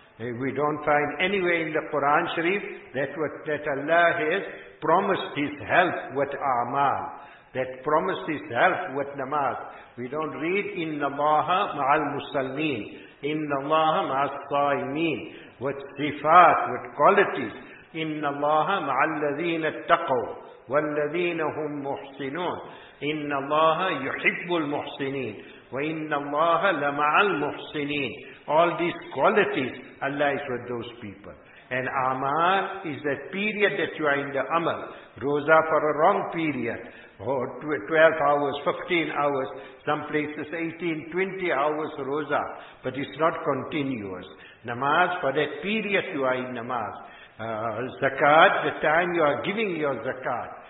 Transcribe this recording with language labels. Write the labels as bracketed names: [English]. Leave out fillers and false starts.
[English] We don't find anywhere in the Quran Sharif that Allah has promised His help with amal. That promised His help with namaz. We don't read, [Arabic] Inna Allaha ma'al musallin. Inna Allaha ma'al saimin. [English] With sifat, with qualities. [Arabic] Inna Allaha ma'al ladhina taqaw. وَالَّذِينَ هُمْ مُحْسِنُونَ إِنَّ اللَّهَ يُحِبُّ الْمُحْسِنِينَ وَإِنَّ اللَّهَ لَمَعَ الْمُحْسِنِينَ [English] All these qualities, Allah is with those people. And amal is that period that you are in the amal. Roza for a wrong period. 12 hours, 15 hours, some places 18, 20 hours roza. But it's not continuous. Namaz, for that period you are in namaz. Zakat, the time you are giving your zakat.